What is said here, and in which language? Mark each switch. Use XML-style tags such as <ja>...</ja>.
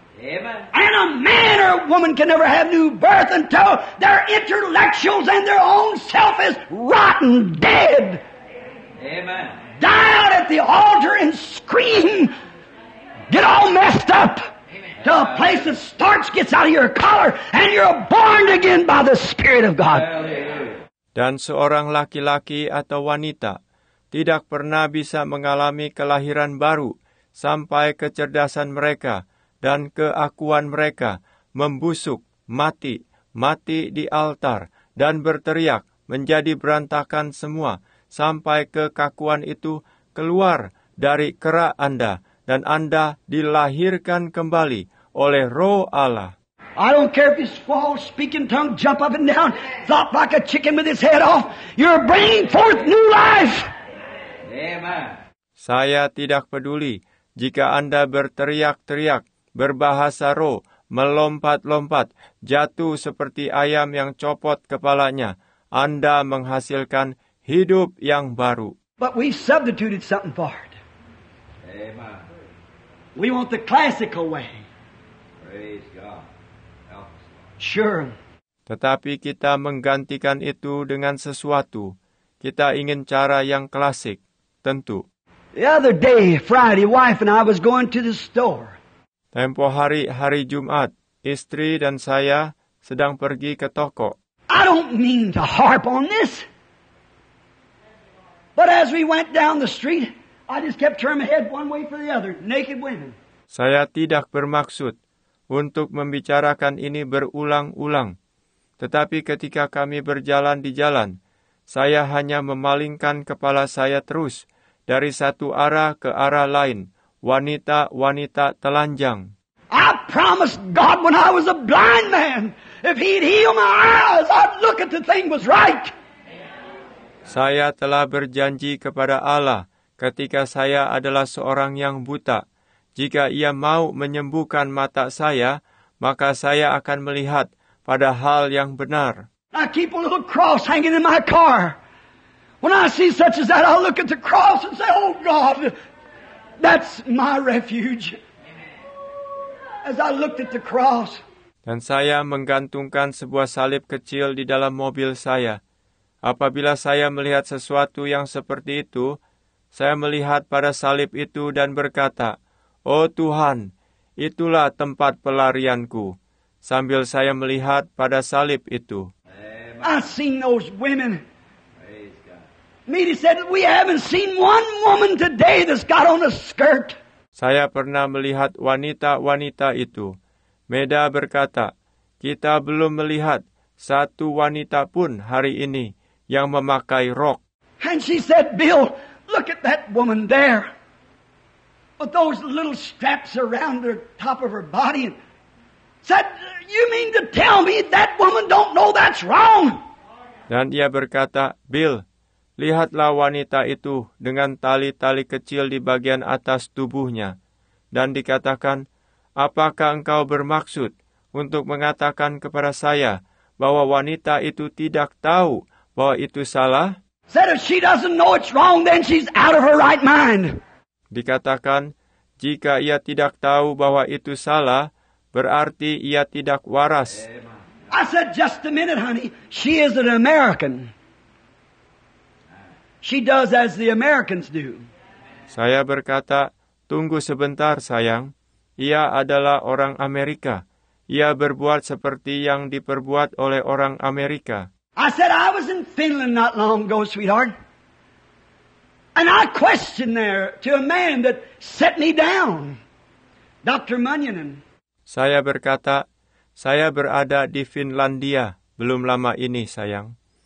<en>And a man or a woman can never have new birth until their intellectuals and their own self is rotten, dead. Amen. Die out at the altar and scream, get all messed up. Amen. To a place that starch gets out of your collar and you're born again by the Spirit of God.</en> <id>Dan seorang laki-laki atau wanita tidak pernah bisa mengalami kelahiran baru sampai kecerdasan mereka dan keakuan mereka membusuk, mati, mati di altar, dan berteriak menjadi berantakan semua sampai kekakuan itu keluar dari kerak Anda dan Anda dilahirkan kembali oleh Roh Allah.</id> <en>I don't care if you squall, speak in tongue, jump up and down, flop like a chicken with his head off, you're bringing forth new life. Amen.</en> <id>Saya tidak peduli jika Anda berteriak-teriak, berbahasa roh, melompat-lompat, jatuh seperti ayam yang copot kepalanya. Anda menghasilkan hidup yang baru.</id> <en>But we substituted something for it. Amen. We want the classical way. Praise God. Help us. Sure.</en> <id>Tetapi kita menggantikan itu dengan sesuatu. Kita ingin cara yang klasik. Tentu.</id> <en>The other day, Friday, wife and I was going to the store.</en> <id>Tempo hari Jumat, istri dan saya sedang pergi ke toko.</id> <en>I don't mean to harp on this. But as we went down the street, I just kept turning my head one way for the other, naked women.</en> <id>Saya tidak bermaksud untuk membicarakan ini berulang-ulang. Tetapi ketika kami berjalan di jalan, saya hanya memalingkan kepala saya terus dari satu arah ke arah lain. Wanita-wanita telanjang.</id> <en>I promised God when I was a blind man, if He'd heal my eyes, I'd look at the thing was right.</en> <id>Saya telah berjanji kepada Allah ketika saya adalah seorang yang buta. Jika Ia mau menyembuhkan mata saya, maka saya akan melihat pada hal yang benar.</id> <en>I keep a little cross hanging in my car. When I see such as that, I'll look at the cross and say, oh God, that's my refuge. As I looked at the cross.</en> <id>Dan saya menggantungkan sebuah salib kecil di dalam mobil saya. Apabila saya melihat sesuatu yang seperti itu, saya melihat pada salib itu dan berkata, oh Tuhan, itulah tempat pelarianku. Sambil saya melihat pada salib itu.</id> <en>I seen those women. Media said we haven't seen one woman today that's got on a skirt.</en> <id>Saya pernah melihat wanita-wanita itu. Meda berkata, kita belum melihat satu wanita pun hari ini yang memakai rok.</id> <en>And she said, Bill, look at that woman there. With those little straps around the top of her body. And said, you mean to tell me that woman don't know that's wrong?</en> <id>Dan ia berkata, Bill, lihatlah wanita itu dengan tali-tali kecil di bagian atas tubuhnya. Dan dikatakan, apakah engkau bermaksud untuk mengatakan kepada saya bahwa wanita itu tidak tahu bahwa itu salah?</id> <en>Said if she doesn't know it's wrong, then she's out of her right mind.</en> <id>Dikatakan, jika ia tidak tahu bahwa itu salah, berarti ia tidak waras.</id> <en>I said, just a minute, honey. She is an American. She does as the Americans do.</en> <id>Saya berkata, tunggu sebentar, sayang. Ia adalah orang Amerika. Ia berbuat seperti yang diperbuat oleh orang Amerika.</id> <en>I said, I was in Finland not long ago, sweetheart. And I questioned there to a man that set me down, Dr. Munyanen.</en> <id>Saya berkata, saya berada di Finlandia belum lama ini, sayang.</id>